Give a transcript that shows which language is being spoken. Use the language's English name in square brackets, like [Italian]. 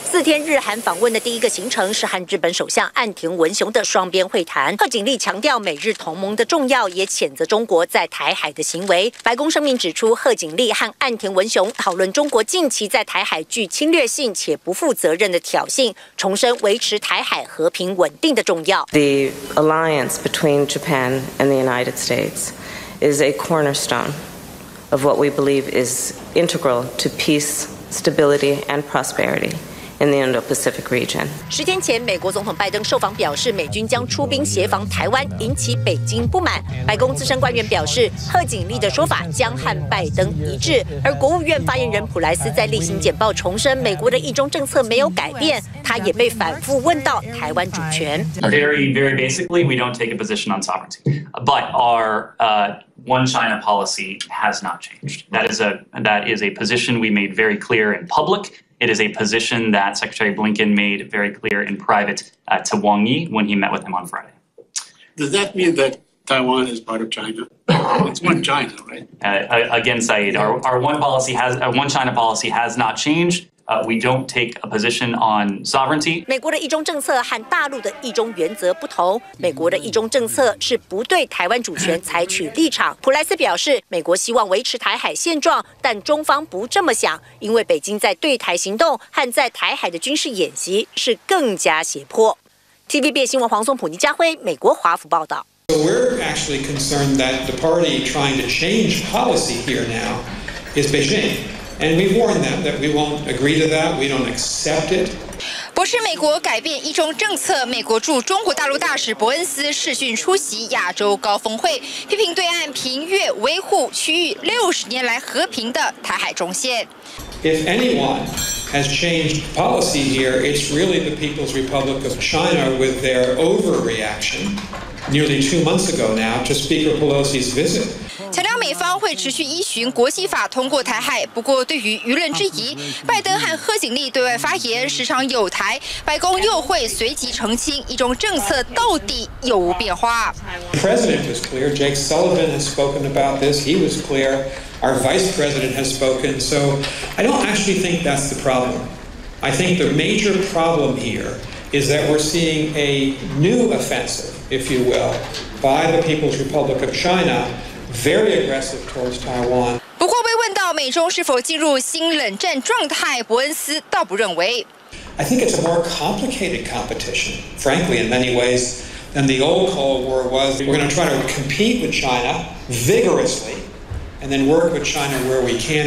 [Chinese] 4天日韩访问的第一个行程是和日本首相岸田文雄的双边会谈。贺锦丽强调美日同盟的重要，也谴责中国在台海的行为。白宫声明指出，贺锦丽和岸田文雄讨论中国近期在台海具侵略性且不负责任的挑衅，重申维持台海和平稳定的重要。 [English] The alliance between Japan and the United States. Is a cornerstone of what we believe is integral to peace, stability, and prosperity. In the Indo-Pacific region. [Chinese] 10天前，美国总统拜登受访表示，美军将出兵协防台湾，引起北京不满。白宫资深官员表示，贺锦丽的说法将和拜登一致。而国务院发言人普莱斯在例行简报重申，美国的一中政策没有改变。他也被反复问到台湾主权。 [English] Very basically, we don't take a position on sovereignty, but our one China policy has not changed. That is a position we made very clear in public. It is a position that Secretary Blinken made very clear in private to Wang Yi when he met with him on Friday. Does that mean that Taiwan is part of China? It's one China, right? Again, Saeed, one China policy has not changed. We don't take a position on sovereignty. [Chinese] 美国的一中政策和大陆的一中原则不同。美国的一中政策是不对台湾主权采取立场。普莱斯表示，美国希望维持台海现状，但中方不这么想，因为北京在对台行动和在台海的军事演习是更加胁迫。 TVBS 新闻黄松普、倪家辉，美国华府报道。 [English] So we're actually concerned that the party trying to change policy here now is Beijing. And we warn them that we won't agree to that. We don't accept it. [Chinese] 不是美国改变一中政策，美国驻中国大陆大使伯恩斯视讯出席亚洲高峰会，批评对岸频越维护区域60年来和平的台海中线。 [English] If anyone has changed policy here, it's really the People's Republic of China with their overreaction nearly 2 months ago now to Speaker Pelosi's visit. [Chinese] 强调美方会持续依循国际法通过台海，不过对于舆论质疑，拜登和贺锦丽对外发言时常有台。白宫又会随即澄清一中政策到底有无变化。 [English] The president was clear. Jake Sullivan has spoken about this. He was clear. Our vice president has spoken. So I don't actually think that's the problem. I think the major problem here is that we're seeing a new offensive, if you will, by the People's Republic of China, very aggressive towards Taiwan. [Chinese] 不过被问到美中是否进入新冷战状态，伯恩斯倒不认为。 [English] I think it's a more complicated competition, frankly, in many ways, than the old Cold War was. We're going to try to compete with China vigorously, and then work with China where we can.